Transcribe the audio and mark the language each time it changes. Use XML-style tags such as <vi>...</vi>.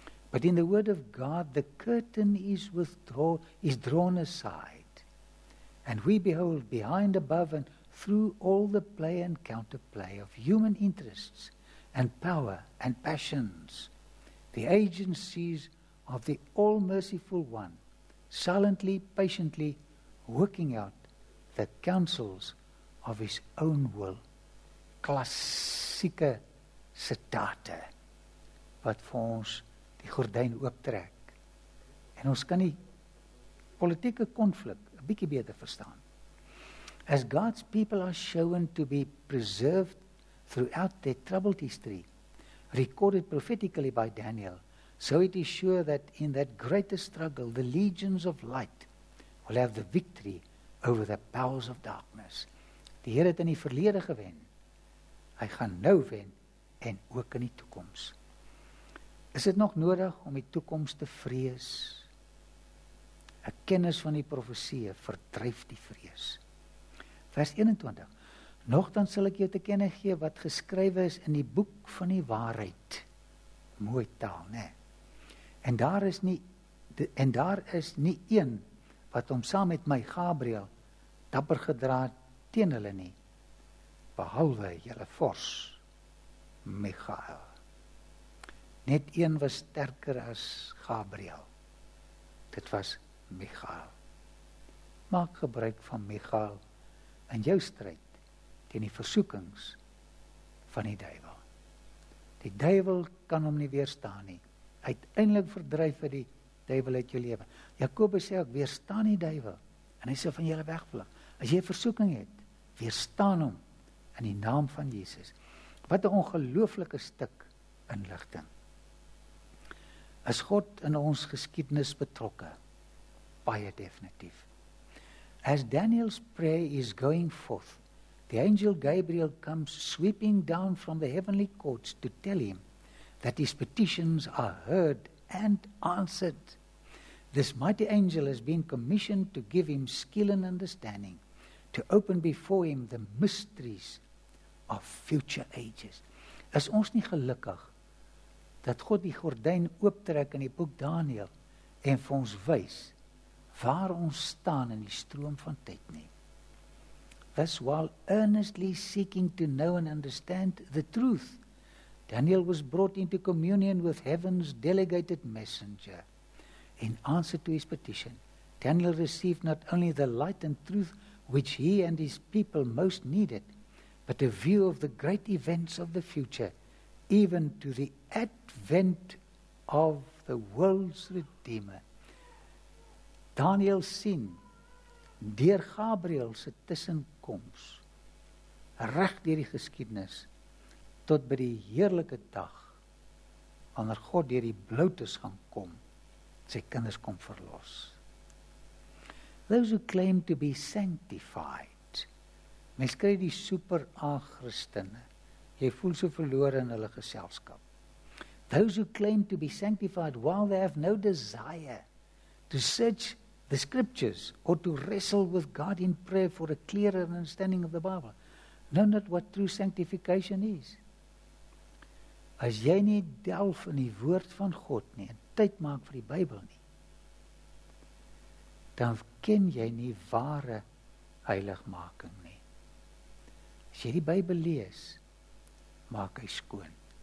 <en>But in the word of God, the curtain is drawn aside, and we behold behind, above, and through all the play and counterplay of human interests and power and passions, the agencies of the all-merciful one, silently, patiently working out the counsels of his own will.</en> <af>Klassieke sitate, wat vir ons die gordyn ooptrek. En ons kan die politieke konflik 'n bietjie beter verstaan.</af> <en>As God's people are shown to be preserved throughout their troubled history, recorded prophetically by Daniel, so it is sure that in that greater struggle, the legions of light will have the victory over the powers of darkness.</en> <af>Die Here het in die verlede gewen. Hy gaan nou wen en ook in die toekoms. Is dit nog nodig om die toekoms te vrees? 'N kennis van die profesieë verdryf die vrees. Vers 21. Nogtans sal ek jou te kenne gee wat geskrywe is in die boek van die waarheid. Mooi taal, né? En daar is nie een wat hom saam met my Gabriel dapper gedra teen hulle nie, behalwe julle vors Michael. Net een was sterker as Gabriel. Dit was Michael. Maak gebruik van Michael in jou stryd teen die versoekings van die duiwel. Die duiwel kan hom nie weerstaan nie. Uiteindelik verdryf hy die duiwel uit jou lewe. Jakobus sê ook, weerstaan die duiwel en hy sal van julle wegvlug. As jy 'n versoeking het, weerstaan hom in die naam van Jesus. Wat 'n ongelooflike stuk inligting. Is God in ons geskiedenis betrokke? Baie definitief.</af> <en>As Daniel's prayer is going forth, the angel Gabriel comes sweeping down from the heavenly courts to tell him that his petitions are heard and answered. This mighty angel has been commissioned to give him skill and understanding, to open before him the mysteries of future ages.</en> <af>Is ons nie gelukkig dat God die gordyn ooptrek in die boek Daniel en vir ons wys waar ons staan in die stroom van tyd nie?</af> <en>Thus, while earnestly seeking to know and understand the truth, Daniel was brought into communion with heaven's delegated messenger. In answer to his petition, Daniel received not only the light and truth which he and his people most needed, but a view of the great events of the future, even to the advent of the world's Redeemer.</en> <af>Daniel sien deur Gabriel se tussenkoms reg deur die geskiedenis tot by die heerlike dag wanneer God deur die blootes gaan kom sy kinders kom verlos.</af> <en>Those who claim to be sanctified,</en> <af>mens kry die super a-Christene, jy voel so verlore in hulle geselskap.</af> <en>Those who claim to be sanctified while they have no desire to search the scriptures or to wrestle with God in prayer for a clearer understanding of the Bible, know not what true sanctification is.</en> <af>As jy nie delf in die woord van God nie, en tyd maak vir die Bybel nie, dan ken jy nie ware heiligmaking nie. As jy die Bybel lees, maak hy skoon.</af>